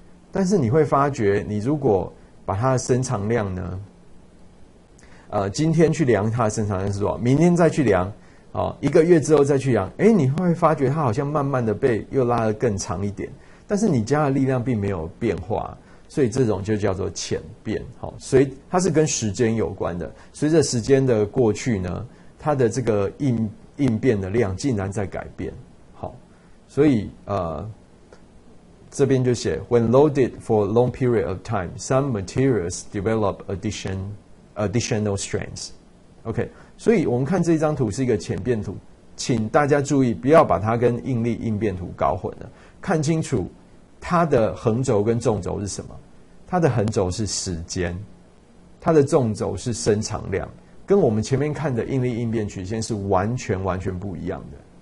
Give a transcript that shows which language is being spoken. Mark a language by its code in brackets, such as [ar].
[zh] 但是你会发觉，你如果把它的伸长量呢，今天去量它的伸长量是多少，明天再去量，哦，一个月之后再去量，哎，你会发觉它好像慢慢的被又拉得更长一点。但是你加的力量并没有变化，所以这种就叫做潜变。好，所以它是跟时间有关的，随着时间的过去呢，它的这个应变的量竟然在改变。好，所以这边就写 [en] When loaded for a long period of time, some materials develop additional strengths. [zh] OK， 所以我们看这张图是一个潜变图，请大家注意不要把它跟应力应变图搞混了，看清楚它的横轴跟纵轴是什么。它的横轴是时间，它的纵轴是伸长量，跟我们前面看的应力应变曲线是完全完全不一样的。